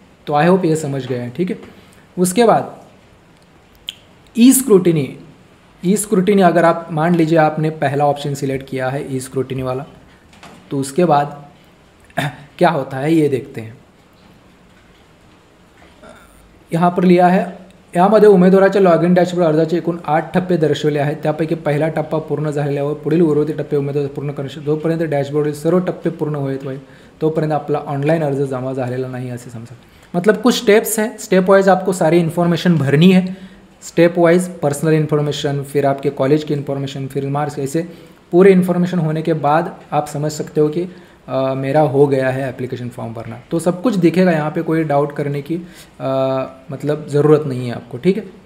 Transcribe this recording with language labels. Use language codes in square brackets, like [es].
[hi] तो I hope ये समझ गए हैं, ठीक है। उसके बाद ई स्क्रूटिनी अगर आप मान लीजिए आपने पहला ऑप्शन सिलेक्ट किया है ई स्क्रूटिनी वाला, तो उसके बाद क्या होता है ये देखते हैं। यहाँ पर लिया है, [mr] यामध्ये उमेदवाराच्या लॉगिन डॅशबोर्ड अर्जाचे एकूण 8 टप्पे दर्शवले आहेत, त्यापैकी पहिला टप्पा पूर्ण झालेल्यावर पुढील उर्वरित टप्पे उमेदवार पूर्ण करण्याचे, जोपर्यंत डॅशबोर्डवरील सर्व टप्पे पूर्ण होत नाही तोपर्यंत आपला ऑनलाईन अर्ज जमा झालेला नाही असे समजा। [hi] मतलब कुछ स्टेप्स है, स्टेप वाईज आपको सारी इन्फॉर्मेशन भरनी है, स्टेप वाईज पर्सनल इन्फॉर्मेशन, फिर आपके कॉलेज की इन्फॉर्मेशन, फिर मार्क्स, ऐसे पूरे इन्फॉर्मेशन होने के बाद आप समझ सकते हो कि मेरा हो गया है एप्लीकेशन फॉर्म भरना। तो सब कुछ दिखेगा यहाँ पे, कोई डाउट करने की मतलब ज़रूरत नहीं है आपको, ठीक है।